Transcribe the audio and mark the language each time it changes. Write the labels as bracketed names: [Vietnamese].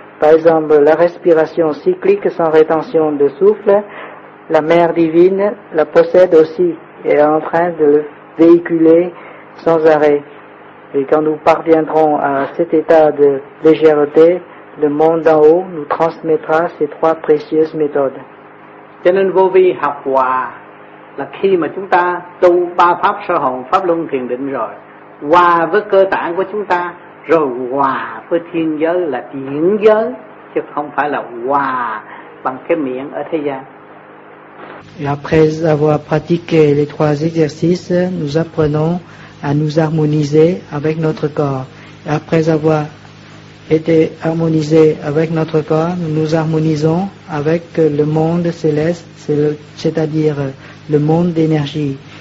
[French] Par exemple, la respiration cyclique sans rétention de souffle, la mère divine la possède aussi. Et en train de le véhiculer sans arrêt. Et quand nous parviendrons à cet état de légèreté, le monde d'en haut nous transmettra ces trois précieuses méthodes. [Vietnamese] Cho nên vô vi học hòa là khi mà chúng ta tu ba pháp sơ hồn, pháp luân thiền định rồi, hòa với cơ tạng của chúng ta, rồi hòa với thiên giới là diễn giới, chứ không phải là hòa bằng cái miệng ở thế gian. [French] Et après avoir pratiqué les trois exercices, nous apprenons à nous harmoniser avec notre corps. Et après avoir été harmonisés avec notre corps, nous nous harmonisons avec le monde céleste, c'est-à-dire le monde d'énergie.